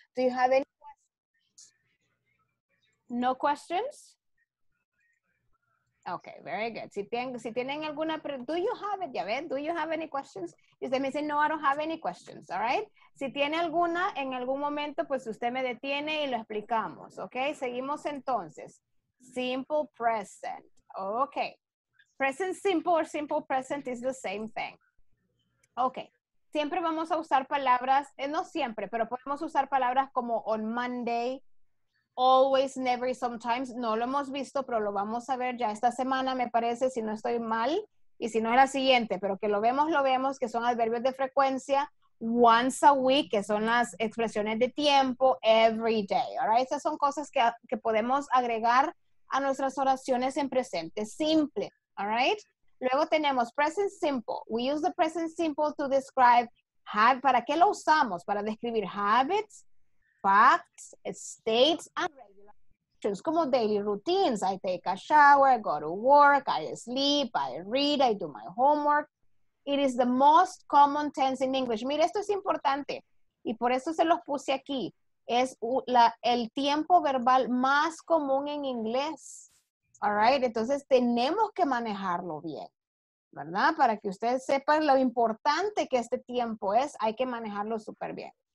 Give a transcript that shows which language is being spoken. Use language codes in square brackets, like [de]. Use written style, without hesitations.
[en] Do you have any questions? No questions? Okay, very good. [es] Si tienen alguna pregunta, [en] do you have it? [es] Ya ven, [en] do you have any questions? [es] Y usted me dice, no, [en] I don't have any questions, all right? [es] Si tiene alguna, en algún momento, pues usted me detiene y lo explicamos, okay? Seguimos entonces. [en] Simple present, okay. Present simple or simple present is the same thing. [es] Okay. Siempre vamos a usar palabras, no siempre, pero podemos usar palabras como [en] on Monday, always, never, sometimes. [es] No lo hemos visto, pero lo vamos a ver ya esta semana, me parece, si no estoy mal. Y si no es la siguiente, pero que lo vemos, que son adverbios de frecuencia. [en] Once a week, [es] que son las expresiones de tiempo, [en] every day. [es] Ahora, estas son cosas que podemos agregar a nuestras oraciones en presente simple. [en] All right. [es] Luego tenemos [en] present simple. We use the present simple to describe have. [es] ¿Para qué lo usamos? Para describir [en] habits, facts, states, and regular actions. Como daily routines. I take a shower, I go to work, I sleep, I read, I do my homework. It is the most common tense in English. [es] Mira, esto es importante. Y por eso se los puse aquí. Es el tiempo verbal más común en inglés. [en] All right, [es] entonces tenemos que manejarlo bien, ¿verdad? Para que ustedes sepan lo importante que este tiempo es, hay que manejarlo súper bien.